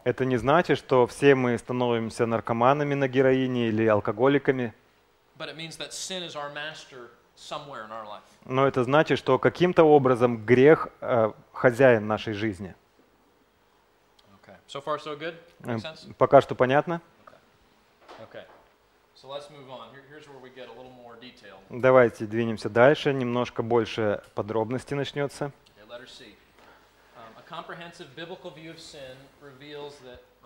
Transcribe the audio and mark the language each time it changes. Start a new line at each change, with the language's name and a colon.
Russian: Это не значит, что все мы становимся наркоманами на героине или алкоголиками.
English: But it means that sin is our master somewhere in our life.
Russian: Но это значит, что каким-то образом грех хозяин нашей жизни.
English: Okay. So far so good? Make sense?
Russian: Пока что понятно?
English: Okay. So let's move on. Here's where we get a little more detail.
Russian: Давайте двинемся дальше, немножко больше подробностей начнется.
English: Okay, let her see. Comprehensive biblical view of sin reveals that.